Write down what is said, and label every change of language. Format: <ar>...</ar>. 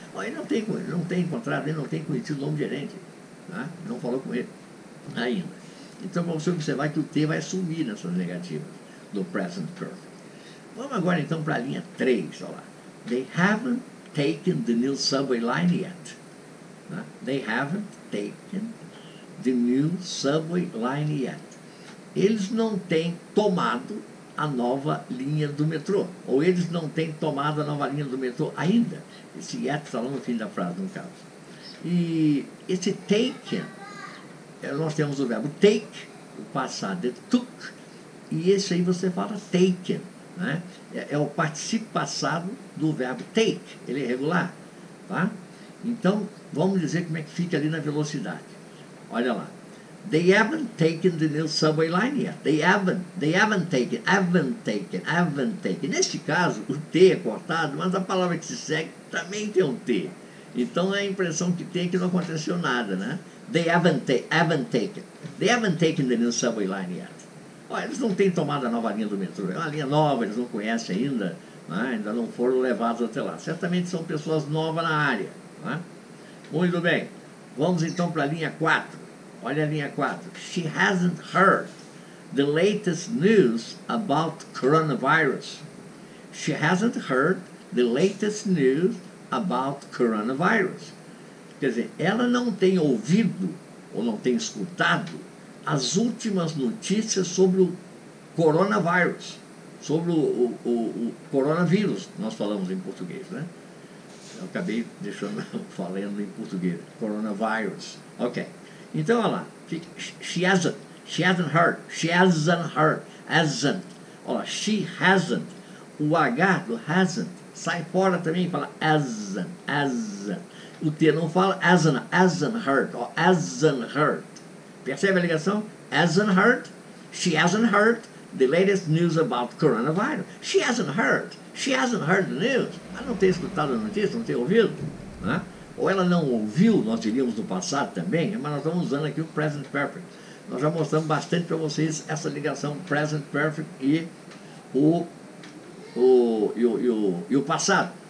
<pt>Oh, ele não tem conhecido o novo gerente. Né? Não falou com ele ainda. Então, para você observar que o T vai sumir nessas negativas do present perfect. Vamos agora, então, para a linha 3. Olha lá.</pt> <en>They haven't taken the new subway line yet.</en> <pt>Né?</pt> <en>They haven't taken the new subway line yet.</en> <pt>Eles não têm tomado a nova linha do metrô. Ou eles não têm tomado a nova linha do metrô ainda. Esse yet está lá no fim da frase, no caso. E esse taken, nós temos o verbo take, o passado é took, e esse aí você fala taken. Né? É o particípio passado do verbo take, ele é irregular. Tá? Então, vamos dizer como é que fica ali na velocidade. Olha lá.</pt> <en>They haven't taken the new subway line yet. They haven't taken.</en> <pt>Neste caso, o T é cortado, mas a palavra que se segue também tem um T. Então, a impressão que tem é que não aconteceu nada, né?</pt> <en>They haven't taken the new subway line yet.</en> <pt>Olha, eles não têm tomado a nova linha do metrô. É uma linha nova, eles não conhecem ainda, né? Ainda não foram levados até lá. Certamente são pessoas novas na área. Né? Muito bem. Vamos, então, para a linha 4. Olha a linha 4.</pt> <en>She hasn't heard the latest news about coronavirus. She hasn't heard the latest news about coronavirus.</en> <pt>Quer dizer, ela não tem ouvido ou não tem escutado as últimas notícias sobre o coronavirus. Sobre o coronavírus, nós falamos em português, né? Eu acabei deixando falando em português. Coronavirus. Ok. Então, olha lá.</pt> <en>She hasn't heard.</en> <pt>Olha,</pt> <en>she hasn't.</en> <pt>O H do hasn't sai fora também e fala hasn't. O T não fala</pt> <en>hasn't heard.</en> <pt>Percebe a ligação? Hasn't heard.</pt> <en>She hasn't heard the latest news about coronavirus. She hasn't heard the news.</en> <pt>Ela não tem escutado a notícia, não tem ouvido. Né? Ou ela não ouviu, nós diríamos no passado também, mas nós estamos usando aqui o present perfect. Nós já mostramos bastante para vocês essa ligação present perfect e o passado.</pt>